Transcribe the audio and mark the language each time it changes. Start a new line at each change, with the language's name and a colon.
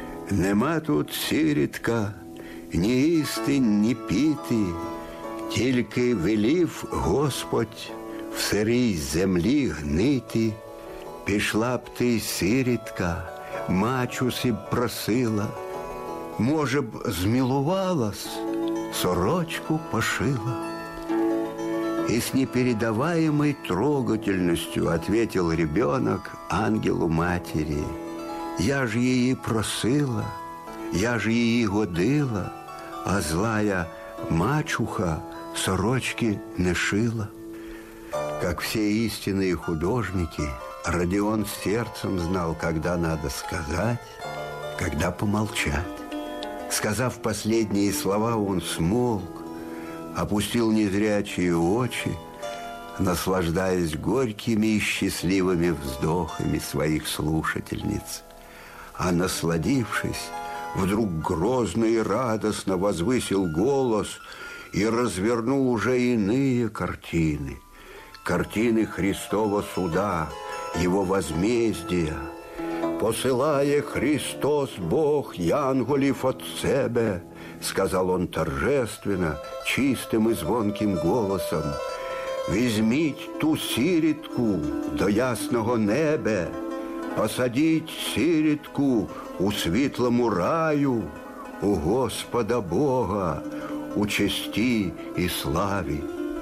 Ukrainian: Нема тут сиритка ні їсти, ні піти, тільки велів Господь в сирій землі гнити. Пішла б ти, сиритка, мачусі б просила, може б змілувалась, сорочку пошила.
Russian: И с непередаваемой трогательностью ответил ребенок ангелу матери:
Ukrainian: «Я ж її просила, я ж її годила, а злая мачуха сорочки не шила».
Russian: Как все истинные художники, Родион сердцем знал, когда надо сказать, когда помолчать. Сказав последние слова, он смолк, опустил незрячие очи, наслаждаясь горькими и счастливыми вздохами своих слушательниц. А насладившись, вдруг грозно и радостно возвысил голос и развернул уже иные картины. Картины Христова суда, его возмездия.
Ukrainian: «Посылая Христос Бог янголів от себе»,
Russian: сказал он торжественно, чистым и звонким голосом,
Ukrainian: «візьміть ту сиритку до ясного неба, посадіть сиритку у світлому раю, у Господа Бога, у честі і славі».